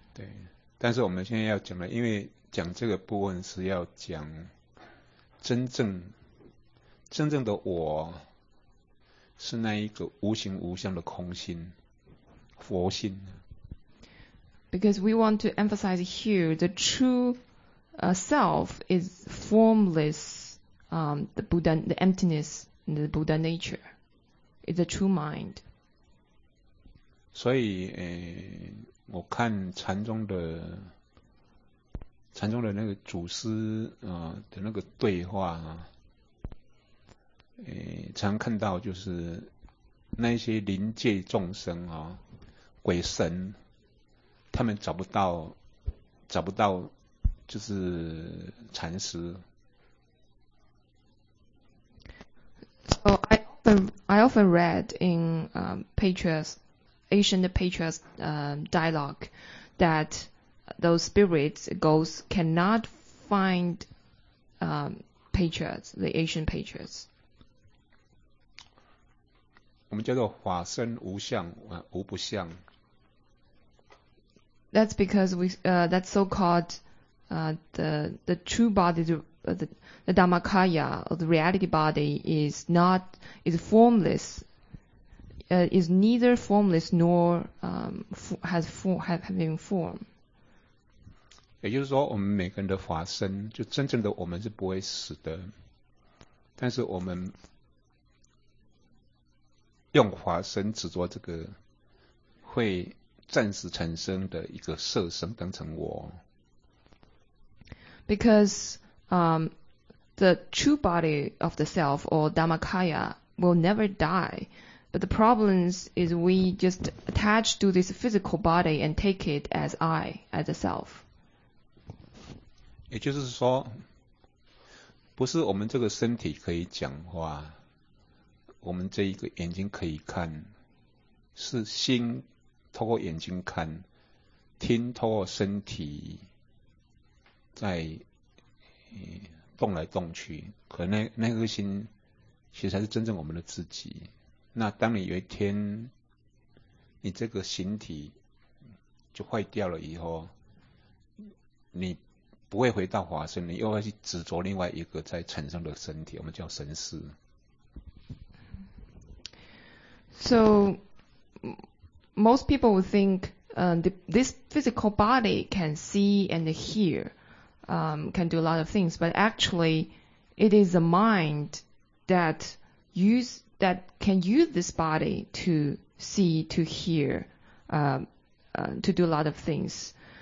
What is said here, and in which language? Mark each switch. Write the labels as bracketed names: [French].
[Chinese] 对，但是我们现在要讲了，因为讲这个部分是要讲真正的我是那一个无形无相的空心佛心。 [English] Because we want to emphasize here, the true self is formless, the Buddha, the emptiness, and the Buddha nature, is the true mind. [Chinese] 所以，我看禅宗的那个祖师的那个对话常看到就是那些灵界众生鬼神。他们找不到就是禅师。 [English] So I often read in patriarchs, ancient patriarchs dialogue that those spirits, ghosts cannot find patriarchs, the ancient patriarchs. [Chinese] 我们叫做法身无相，无不相。 [English] That's because that's so-called the true body, the Dhammakaya, or the reality body, is formless, is neither formless nor having form. [Chinese] 也就是说，我们每个人的法身，就真正的我们是不会死的，但是我们用法身执着这个会暂时产生的一个色身当成我。 [English] Because the true body of the self or Dhammakaya will never die. But the problem is we just attach to this physical body and take it as I, as a self. [Chinese] 也就是说，不是我们这个身体可以讲话，我们这一个眼睛可以看，是心透过眼睛看，听透过身体在动来动去，可那个心其实才是真正我们的自己。那当你有一天你这个形体就坏掉了以后，你不会回到法身，你又要去执着另外一个在产生的身体，我们叫神识。 [English] So most people would think this physical body can see and hear, can do a lot of things, but actually it is the mind that can use this body to see, to hear, to do a lot of things.